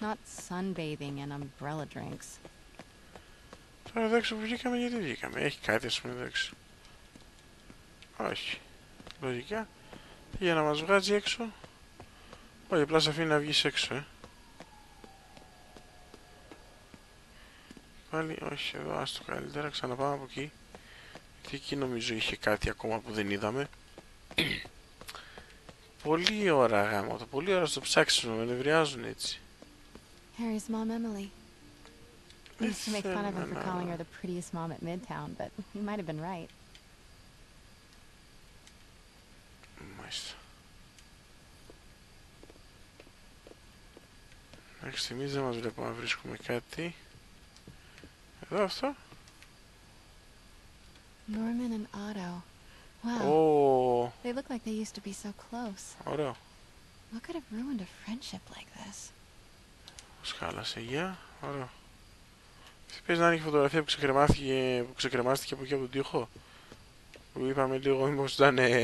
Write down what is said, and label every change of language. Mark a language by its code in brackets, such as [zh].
[en] Not sunbathing and umbrella drinks. [el] Τώρα εδώ έξω που βγήκαμε, γιατί βγήκαμε. Έχει κάτι, ας πούμε, εδώ έξω. Όχι. Λογικά. Για να μας βγάζει έξω. Όχι, απλά σε αφήνει να βγεις έξω, ε. Πάλι, όχι, εδώ, ας το καλύτερα, ξαναπάμε από εκεί. Γιατί εκεί νομίζω είχε κάτι ακόμα που δεν είδαμε. Πολύ ώρα, γάμο, το πολύ ώρα στο ψάξιμο, με νευριάζουν έτσι. [en] Harry's mom Emily. We used to make fun of her for calling her the prettiest mom at Midtown, but you might have been right. [el] Μάλιστα. Μέχρι στιγμής δεν μας βλέπω να βρίσκουμε κάτι. Εδώ αυτό. [en] Norman and Otto. Wow. They look like they used to be so close. [el] Ωραίο. [en] What could have ruined a friendship like this? [el] Σκάλασε, γεια. Ωραίο. Τι πες να είναι η φωτογραφία που ξεκρεμάστηκε, από εκεί από τον τοίχο. Που είπαμε λίγο, μήπως ήταν...